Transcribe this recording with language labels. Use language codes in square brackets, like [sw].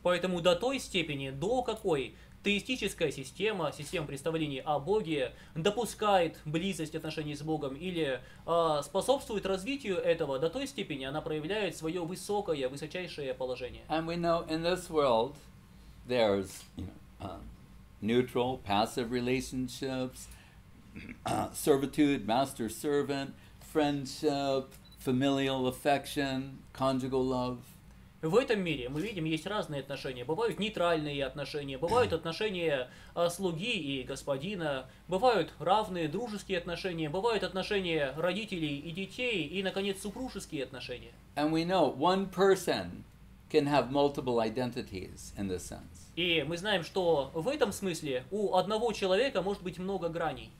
[ru] Поэтому до той степени, до какой теистическая система, система представлений о Боге допускает близость отношений с Богом или способствует развитию этого, до той степени она проявляет свое высокое, высочайшее положение. [en] And we know in this world there's, you know, neutral, passive relationships, servitude, master-servant, friendship, familial affection, conjugal love. [ru] В этом мире, мы видим, есть разные отношения. Бывают нейтральные отношения, бывают отношения слуги и господина, бывают равные дружеские отношения, бывают отношения родителей и детей, и, наконец, супружеские отношения. [en] And we know one person can have multiple identities in this sense. [ru] И мы знаем, что в этом смысле у одного человека может быть много граней.